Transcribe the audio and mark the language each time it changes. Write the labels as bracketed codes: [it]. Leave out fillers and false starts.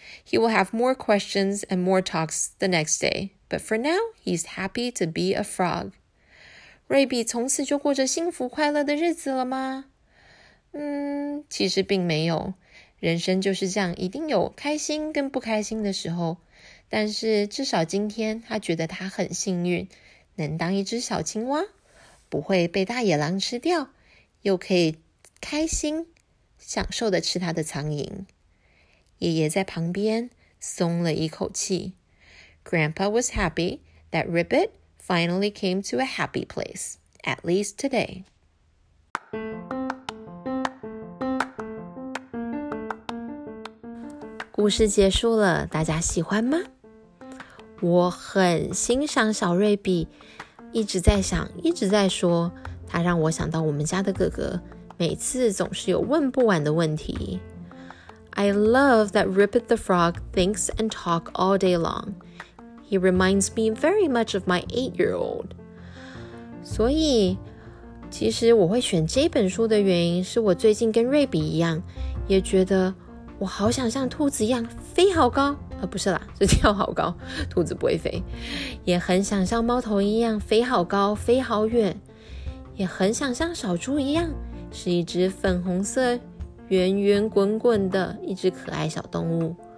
[en] He will have more questions and more talks the next day. But for now, he's happy to be a frog. [zh] 瑞比从此就过着幸福快乐的日子了吗？其实并没有，人生就是这样，一定有开心跟不开心的时候。但是至少今天他觉得他很幸运，能当一只小青蛙，不会被大野狼吃掉，又可以开心享受的吃他的苍蝇。爷爷在旁边松了一口气。 [en] Grandpa was happy that Ribbit finally came to a happy place, at least today. [zh] 故事结束了，大家喜欢吗？我很欣赏小瑞比，一直在想，一直在说，他让我想到我们家的哥哥，每次总是有问不完的问题。 [en] I love that Ribbit the Frog thinks and talks all day long. He reminds me very much of my 8-year-old. [zh] 所以，其实我会选这本书的原因，是我最近跟瑞比一样，也觉得我好想像兔子一样飞好高，不是啦，是跳好高，兔子不会飞，也很想像猫头鹰一样飞好高飞好远，也很想像小猪一样是一只粉红色圆圆滚滚的一只可爱小动物。